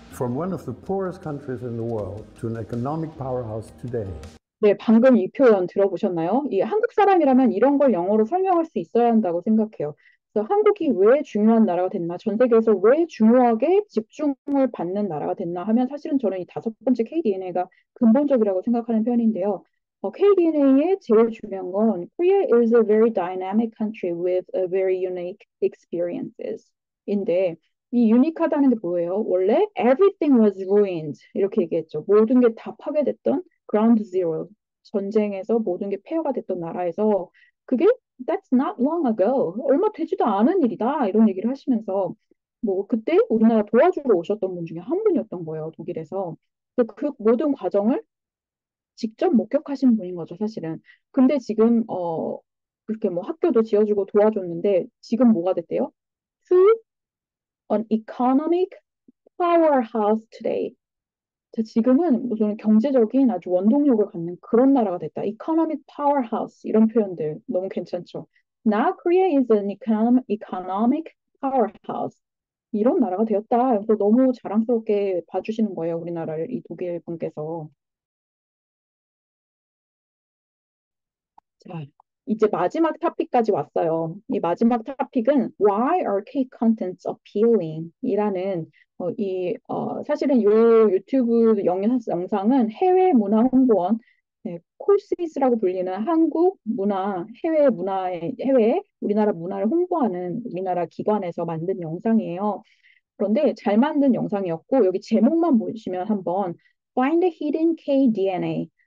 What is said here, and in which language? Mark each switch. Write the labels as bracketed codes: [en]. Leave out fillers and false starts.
[en] from one of the poorest countries in the world to an economic powerhouse today. [ko] 네, 방금 이 표현 들어보셨나요? 이 한국 사람이라면 이런 걸 영어로 설명할 수 있어야 한다고 생각해요. 그래서 한국이 왜 중요한 나라가 됐나, 전 세계에서 왜 중요하게 집중을 받는 나라가 됐나 하면 사실은 저는 이 다섯 번째 KDNA가 근본적이라고 생각하는 편인데요. [en] KDNA의 제일 중요한 건 Korea is a very dynamic country with a very unique experiences [ko] 인데 이 유니크하다는 게 뭐예요? 원래 [en] everything was ruined [ko] 이렇게 얘기했죠. 모든 게다 파괴됐던 Ground Zero, 전쟁에서 모든 게 폐허가 됐던 나라에서 그게 [en] That's not long ago, [ko] 얼마 되지도 않은 일이다 이런 얘기를 하시면서 뭐 그때 우리나라 도와주러 오셨던 분 중에 한 분이었던 거예요, 독일에서. 그 모든 과정을 직접 목격하신 분인 거죠, 사실은. 근데 지금 그렇게 뭐 학교도 지어주고 도와줬는데 지금 뭐가 됐대요? [en] To an economic powerhouse today. [ko] 지금은 무슨 경제적인 아주 원동력을 갖는 그런 나라가 됐다. Economic powerhouse 이런 표현들 너무 괜찮죠. [en] Now Korea is an economic powerhouse [ko] 이런 나라가 되었다. 그래서 너무 자랑스럽게 봐주시는 거예요, 우리나라를 이 독일 분께서. 자, 이제 마지막 토픽까지 왔어요. 이 마지막 토픽은 [en] Why are cake contents appealing? [ko] 이라는 사실은 이 유튜브 영상은 해외 문화 홍보원 콜스윗이라고 불리는 한국 문화 해외 문화의 해외 우리나라 문화를 홍보하는 우리나라 기관에서 만든 영상이에요. 그런데 잘 만든 영상이었고 여기 제목만 보시면 한번 [en] Find a Hidden KDNA.